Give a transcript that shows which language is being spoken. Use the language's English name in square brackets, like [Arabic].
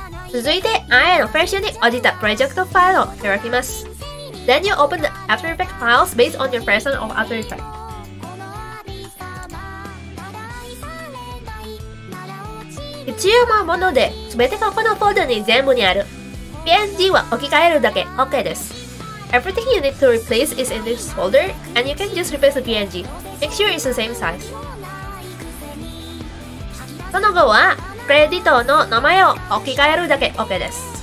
[Japanese] 続いて、I の最初に落ちたプロジェクトファイルを開きます。 [English] Then you open the After Effects files based on your version of After Effects. [Japanese] 必要なもので、すべてがこのフォルダに全部にある。 PNG は置き換えるだけ OK です。 [English] Everything you need to replace is in this folder, and you can just replace the PNG. Make sure it's the same size. [Japanese] その後は、クレジットの名前を置き換えるだけ OK です。